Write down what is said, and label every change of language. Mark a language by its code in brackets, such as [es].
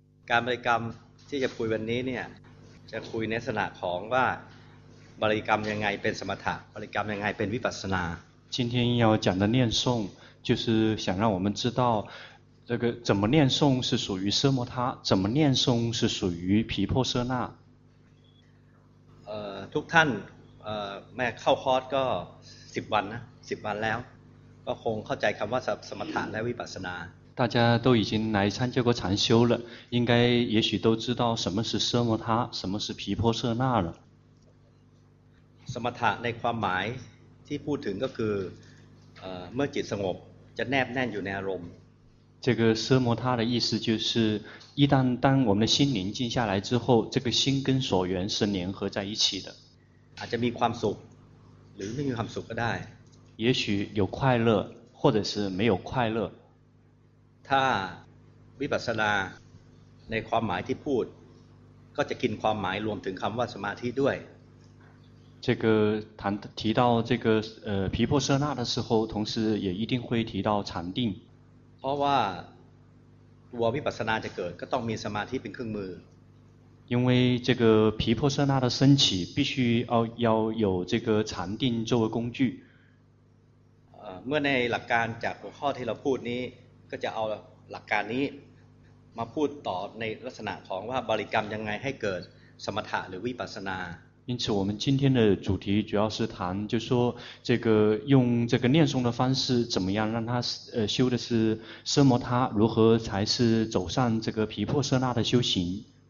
[th] การบริกรรมที่จะคุยวันนี้เนี่ยจะคุยในลักษณะของว่าบริกรรมยังไงเป็นสมถะบริกรรมยังไงเป็นวิปัสสนา [zh] 今天要讲的念诵就是想让我们知道这个怎么念诵是属于奢摩他怎么念诵是属于毗婆舍那 [th] ทุกท่านแม้เข้าคอร์สก็10วันนะ10วันแล้วก็คงเข้าใจคำว่าสมถะและวิปัสสนา [zh] 大家都已经来参加过禅修了，应该也许都知道什么是奢摩他，什么是毗婆舍那了。 [th] สมถะในความหมายที่พูดถึงก็คือเมื่อจิตสงบจะแนบแน่นอยู่ในอารมณ์。 [zh] 这个奢摩他的意思就是，一旦当我们的心宁静下来之后，这个心跟所缘是联合在一起的。 [th] อาจจะมีความสุขหรือไม่มีความสุขก็ได้。 [zh] 也许有快乐，或者是没有快乐。 [th] ถ้าวิปัสสนาในความหมายที่พูดก็จะกินความหมายรวมถึงคำว่าสมาธิด้วย [zh] 这个谈提到这个毗婆舍那的时候同时也一定会提到禅定 [th] เพราะว่าตัววิปัสสนาจะเกิดก็ต้องมีสมาธิเป็นเครื่องมือ [zh] 因为这个毗婆舍那的升起必须要有这个禅定作为工具 [th] เมื่อในหลักการจากหัวข้อที่เราพูดนี้ก็จะเอาหลักการนี้มาพูดต่อในลักษณะของว่าบริกรรมยังไงให้เกิดสมถะหรือวิปัสสนา [zh] 因此我们今天的主题主要是谈就说这个用这个念诵的方式怎么样让他修的是奢摩他如何才是走上这个毗婆舍那的修行